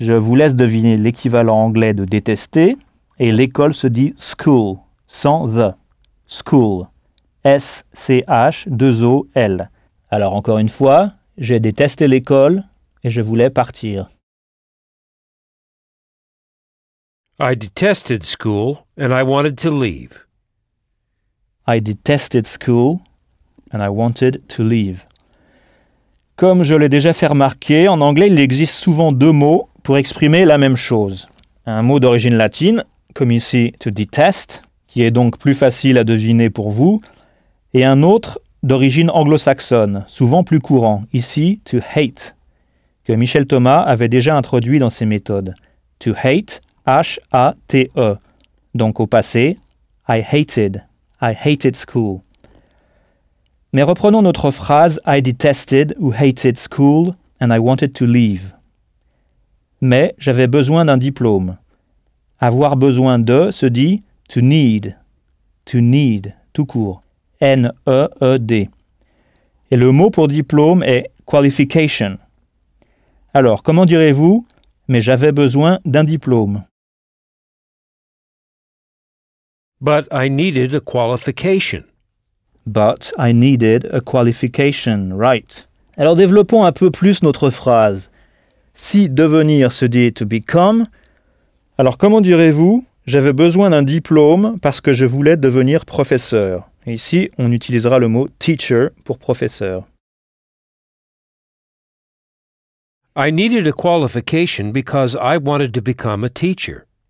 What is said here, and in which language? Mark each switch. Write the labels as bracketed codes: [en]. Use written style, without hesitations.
[fr] Je vous laisse deviner l'équivalent anglais de « détester » et l'école se dit « school » sans « the ». School. S-C-H-2-O-L. Alors, encore une fois, « j'ai détesté l'école et je voulais partir ». [en] I detested school and I wanted to leave. I detested school and I wanted to leave. [fr] Comme je l'ai déjà fait remarquer, en anglais, il existe souvent deux mots pour exprimer la même chose. Un mot d'origine latine, comme ici, to detest, qui est donc plus facile à deviner pour vous, et un autre d'origine anglo-saxonne, souvent plus courant, ici, to hate, que Michel Thomas avait déjà introduit dans ses méthodes. To hate, H-A-T-E. Donc au passé, I hated. [en] I hated school. [fr] Mais reprenons notre phrase I detested ou hated school and I wanted to leave. Mais j'avais besoin d'un diplôme. Avoir besoin de se dit to need, tout court, N-E-E-D. Et le mot pour diplôme est qualification. Alors, comment direz-vous, mais j'avais besoin d'un diplôme? [en] But I needed a qualification. But I needed a qualification, right. [fr] Alors développons un peu plus notre phrase. Si devenir se dit to become, alors comment direz-vous, j'avais besoin d'un diplôme parce que je voulais devenir professeur. Ici, on utilisera le mot teacher pour professeur. [en] I needed a qualification because I wanted to become a teacher.